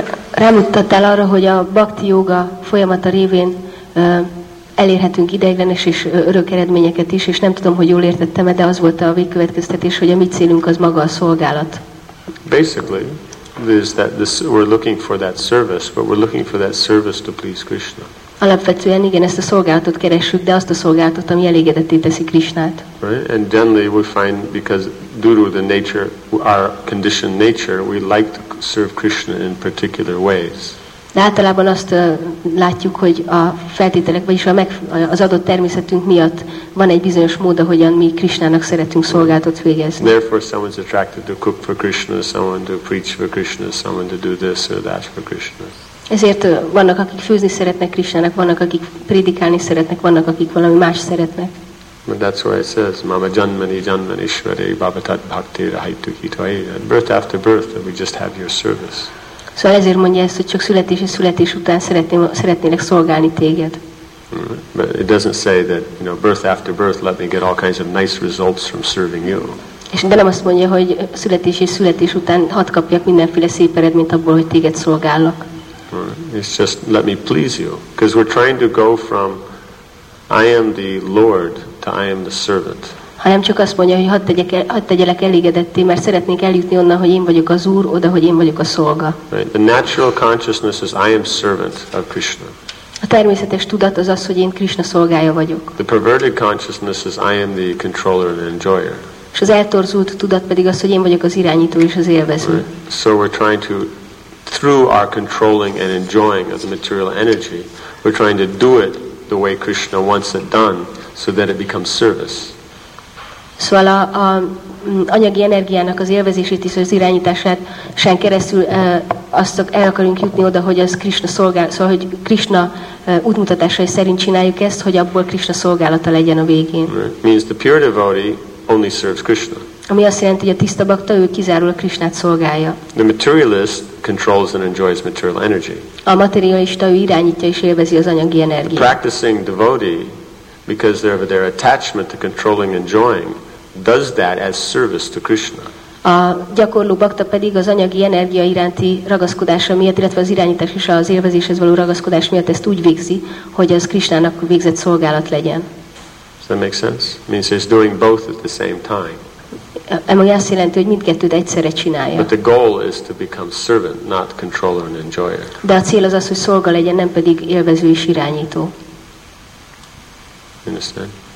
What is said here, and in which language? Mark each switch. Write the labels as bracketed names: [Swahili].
[Hungarian] Rámutattál arra, hogy a bhakti yoga folyamata révén elérhetünk ideiglenes és örök eredményeket is, és nem tudom, hogy jól értettem, de az volt a végkövetkeztetés, hogy a mi célunk az maga a szolgálat. [English] Basically, is that this, we're looking for that service, but we're looking for that service to please Krishna. [Hungarian] Alapvetően igen, ezt a szolgálatot keresjük, de azt a szolgálatot, ami elégedetté teszi Krishnát. [English] Right? And generally we find, because due to the nature, our conditioned nature, we like to serve Krishna in particular ways. [Hungarian] De általában azt látjuk, hogy a feltételek, vagyis az adott természetünk miatt van egy bizonyos mód, ahogyan mi Krishnának szeretünk szolgálatot végezni. [English] Therefore someone's attracted to cook for Krishna, someone to preach for Krishna, someone to do this or that for Krishna. [Hungarian] Ezért vannak, akik főzni szeretnek Krishnának, vannak, akik prédikálni szeretnek, vannak, akik valami más szeretnek. [English] But that's why it says, [Sanskrit] Mama Janmani Janmani Shvare Bhavatat Bhakti Rahaitu Hitvai. [English] And birth after birth, that we just have your service. [Hungarian] Szóval ezért mondja ezt, hogy csak születés és születés után szeretnének szolgálni téged. [English] But it doesn't say that, you know, birth after birth, let me get all kinds of nice results from serving you. [Hungarian] És de nem azt mondja, hogy születés és születés után hadd kapjak mindenféle szép eredményt abból, hogy téged szolgállak. [English] It's just let me please you, because we're trying to go from I am the Lord to I am the servant. [Hungarian] Hanem csak azt mondja, hogy hadd tegyelek elégedetté, mert szeretnék eljutni onnan, hogy én vagyok az Úr, oda, hogy én vagyok a szolga. [English] Right. The natural consciousness is I am servant of Krishna. [Hungarian] A természetes tudat az az, hogy én Krishna szolgája vagyok. [English] The perverted consciousness is I am the controller and enjoyer. [Hungarian] És az eltorzult tudat pedig az, hogy én vagyok az irányító és az élvező. [English] Right. So we're trying to, through our controlling and enjoying of the material energy, we're trying to do it the way Krishna wants it done, so that it becomes service. [Hungarian] Szóval a anyagi energiának az élvezését és az irányítását sen keresztül azt el akarunk jutni oda, hogy az Krishna szolgál, szóval hogy Krishna útmutatásai szerint csináljuk ezt, hogy abból Krishna szolgálata legyen a végén. [English] Right. Means the pure devotee only serves Krishna. [Hungarian] Ami azt jelenti, hogy a tiszta bhakta, ő kizárólag Krishnát szolgálja. [English] The materialist controls and enjoys material energy. [Hungarian] A materialista, ő irányítja és élvezi az anyagi energiát. [English] The practicing devotee, because of their attachment to controlling and enjoying, does that as service to Krishna. [Hungarian] A gyakorló bhakta pedig az anyagi energia iránti ragaszkodása miatt, illetve az irányítás és az élvezéshez való ragaszkodás miatt ezt úgy végzi, hogy az Krishnának végzett szolgálat legyen. [English] Does that make sense? It means he's doing both at the same time. [Hungarian] Ami azt jelenti, hogy mindkettőt egyszerre csinálja. [English] But the goal is to become servant, not controller and enjoyer. [Hungarian] De a cél az, hogy szolga legyen, nem pedig élvező és irányító. [English] Understand?